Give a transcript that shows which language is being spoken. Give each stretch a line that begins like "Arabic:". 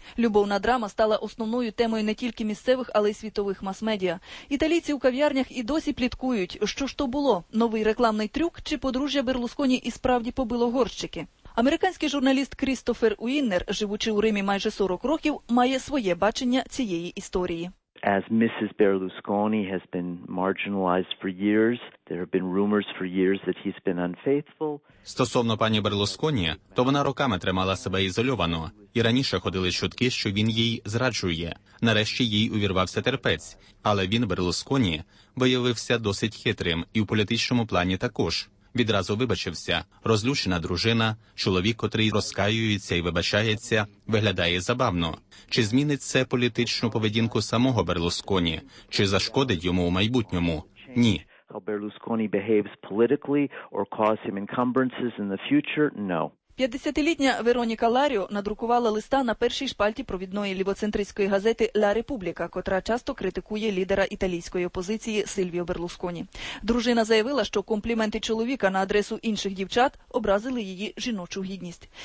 Ukrainian: Любовна драма стала основною темою не тільки місцевих, але й світових мас-медіа. Італійці у кав'ярнях і досі пліткують, що ж то було – новий рекламний трюк чи подружжя Берлусконі і справді побило горщики. Американський журналіст Крістофер Уіннер, живучи у Римі майже 40 років, має своє бачення цієї історії.
English: As Mrs. Berlusconi has been marginalized for years, there have been rumors for years that he's been unfaithful.
Ukrainian: Стосовно пані Берлусконі, то вона роками тримала себе ізольовано, і раніше ходили чутки, що він їй зраджує. Нарешті їй увірвався терпець, але він, Берлусконі, виявився досить хитрим і в політичному плані також. Відразу вибачився. Розлючена дружина, чоловік, котрий розкаюється і вибачається, виглядає забавно. Чи змінить це політичну поведінку самого Берлусконі? Чи зашкодить йому у майбутньому? Ні.
English: Berlusconi behaves politically or cause him encumbrances in the future? No.
Ukrainian: 50-літня Вероніка Ларіо надрукувала листа на першій шпальті провідної лівоцентристської газети «La Repubblica», котра часто критикує лідера італійської опозиції Сильвіо Берлусконі. Дружина заявила, що компліменти чоловіка на адресу інших дівчат образили її жіночу гідність.